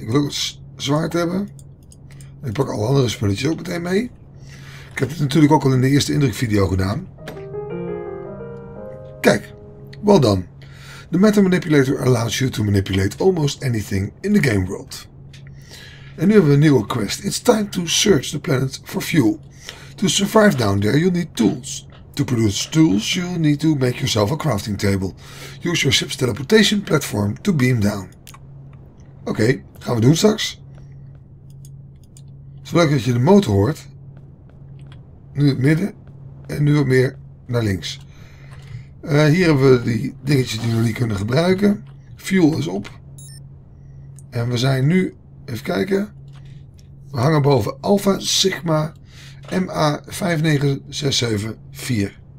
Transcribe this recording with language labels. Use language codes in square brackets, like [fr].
[nl] Ik wil ook het zwaard hebben. Ik pak alle andere spulletjes ook meteen mee. Ik heb het natuurlijk ook al in de eerste indrukvideo gedaan. Kijk, [en] well done. The matter manipulator allows you to manipulate almost anything in the game world. [nl] En nu hebben we een nieuwe quest. [en] It's time to search the planet for fuel. To survive down there, you need tools. To produce tools, you need to make yourself a crafting table. Use your ship's teleportation platform to beam down. [nl] Oké, gaan we doen straks. Het is leuk dat je de motor hoort. Nu het midden en nu wat meer naar links. Hier hebben we die dingetjes die we niet kunnen gebruiken. Fuel is op. En we zijn nu, even kijken. We hangen boven Alpha Sigma MA59674.